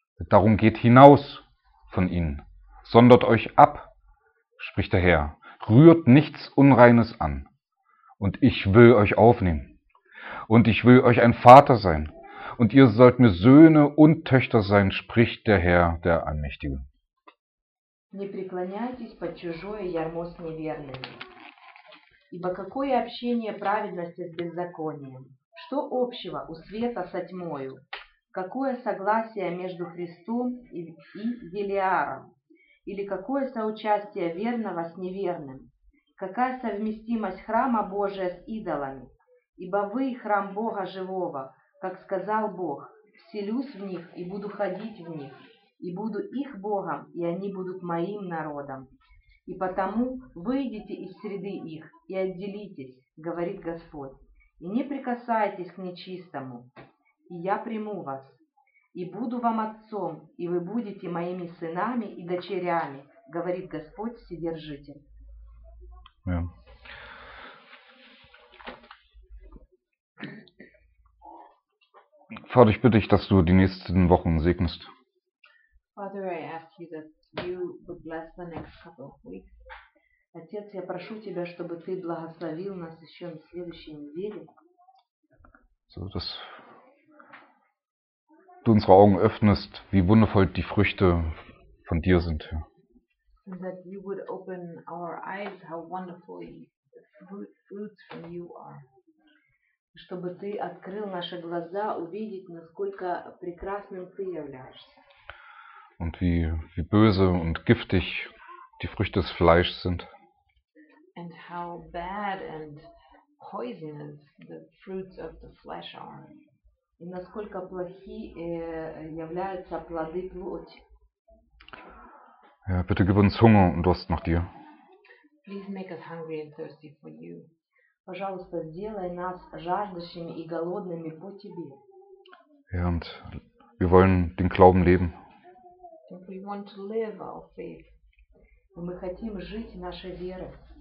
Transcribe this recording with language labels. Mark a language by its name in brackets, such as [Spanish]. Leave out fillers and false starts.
[German] Darum geht hinaus von ihnen, sondert euch ab, spricht der Herr, rührt nichts Unreines an und ich will euch aufnehmen und ich will euch ein Vater sein und ihr sollt mir Söhne und Töchter sein, spricht der Herr, der Allmächtige. [Russian] Не преклоняйтесь под чужое ярмо с неверными. Ибо какое общение праведности с беззаконием? Что общего у света со тьмою? Какое согласие между Христом и Велиаром? Или какое соучастие верного с неверным? Какая совместимость храма Божия с идолами? Ибо вы храм Бога живого, как сказал Бог, вселюсь в них и буду ходить в них, и буду их Богом, и они будут моим народом. И потому выйдите из среды их и отделитесь, говорит Господь, и не прикасайтесь к нечистому, и я приму вас, и буду вам отцом, и вы будете моими сынами и дочерями, говорит Господь Вседержитель. [German] Vater, ich bitte dich, dass du die nächsten Wochen segnest. [English] Father, I ask you that you would bless the next couple of weeks. [Russian] Отец, я прошу тебя, чтобы ты благословил нас еще на следующей неделе. [German] So, dass du unsere Augen öffnest, wie wundervoll die Früchte von dir sind. [English] And that you would open our eyes, how wonderful the fruits from you are. [Russian] Чтобы ты открыл наши глаза, увидеть, насколько прекрасным ты являешься. [German] Und wie böse und giftig die Früchte des Fleisches sind. [English] And how bad and poisonous the fruits of the flesh are. [Russian] И насколько плохи являются плоды плоти. [German] Ja, bitte gib uns Hunger und Durst nach dir. [English] Please make us hungry and thirsty for you. [Russian] Пожалуйста, сделай нас жаждущими и голодными по тебе. [German] Ja, und wir wollen den Glauben leben. [English] And we want to live our faith. [Russian] Мы хотим жить нашей верой.